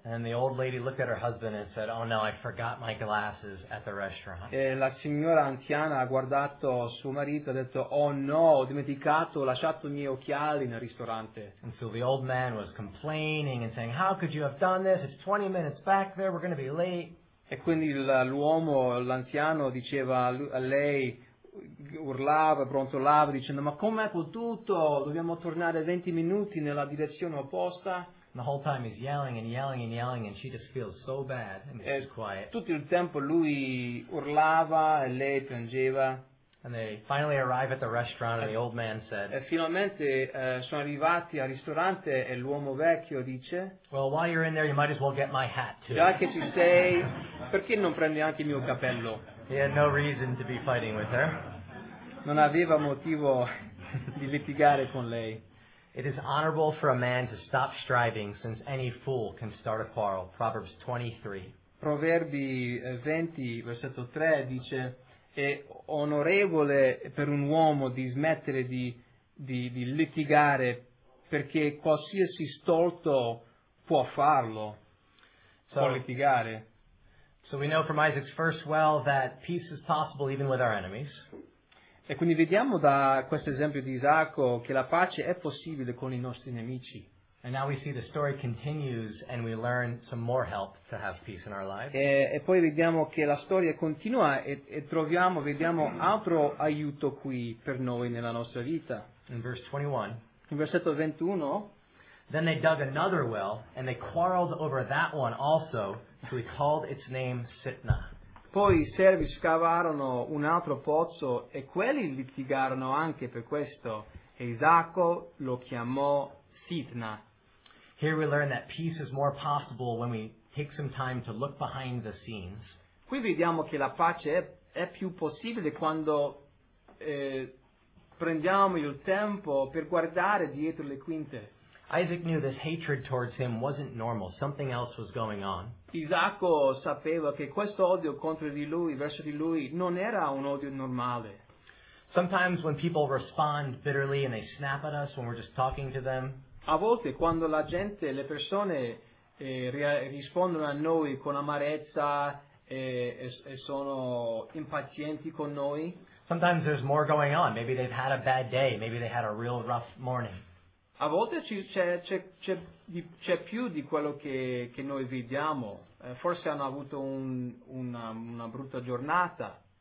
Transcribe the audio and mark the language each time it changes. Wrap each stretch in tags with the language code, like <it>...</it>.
<en>And the old lady looked at her husband and said, "Oh no, I forgot my glasses at the restaurant."</en> <it>E la signora anziana ha guardato suo marito e ha detto, "Oh no, ho lasciato i miei occhiali nel ristorante."</it> <en>And so the old man was complaining and saying, "How could you have done this? It's 20 minutes back there, we're going to be late."</en> <it>E quindi l'uomo, l'anziano, diceva a lei, urlava, brontolava, dicendo, "Ma com'è potuto? Dobbiamo tornare 20 minuti nella direzione opposta."</it> <en>The whole time he's yelling and yelling and yelling, and she just feels so bad and she's quiet.</en> <it>Tutto il tempo lui urlava e lei piangeva.</it> <en>And they finally arrive at the restaurant, and the old man said,</en> <it>e finalmente sono arrivati al ristorante e l'uomo vecchio dice,</it> <en>"Well, while you're in there, you might as well get my hat too."</en> <it>Già che ci sei, perché non prendi anche il mio cappello?</it> <en>He had no reason to be fighting with her.</en> <it>Non aveva motivo di litigare con lei.</it> <en>It is honorable for a man to stop striving, since any fool can start a quarrel. Proverbs 23.</en> <it>Proverbi 20, versetto 3 dice: è onorevole per un uomo di smettere di litigare, perché qualsiasi stolto può farlo, può litigare.</it> <en>So we know from Isaac's first well that peace is possible even with our enemies.</en> <it>E quindi vediamo da questo esempio di Isacco che la pace è possibile con i nostri nemici.</it> <en>And now we see the story continues and we learn some more help to have peace in our lives.</en> <it>E poi vediamo che la storia continua e troviamo, vediamo altro aiuto qui per noi nella nostra vita.</it> <en>In verse 21.</en> <it>In versetto 21.</it> <en>Then they dug another well and they quarreled over that one also, so he called its name Sitna.</en> <it>Poi i servi scavarono un altro pozzo e quelli litigarono anche per questo. E Isacco lo chiamò Sitna.</it> <en>Here we learn that peace is more possible when we take some time to look behind the scenes.</en> <it>Qui vediamo che la pace è più possibile quando prendiamo il tempo per guardare dietro le quinte.</it> <en>Isaac knew this hatred towards him wasn't normal. Something else was going on.</en> <it>Isacco sapeva che questo odio contro di lui, verso di lui, non era un odio normale.</it> <en>Sometimes when people respond bitterly and they snap at us when we're just talking to them.</en> <it>A volte quando la gente, le persone rispondono a noi con amarezza e sono impazienti con noi.</it> <en>Sometimes there's more going on. Maybe they've had a bad day. Maybe they had a real rough morning.</en> <it>A volte c'è più di quello che noi vediamo. Forse hanno avuto una brutta giornata.</it>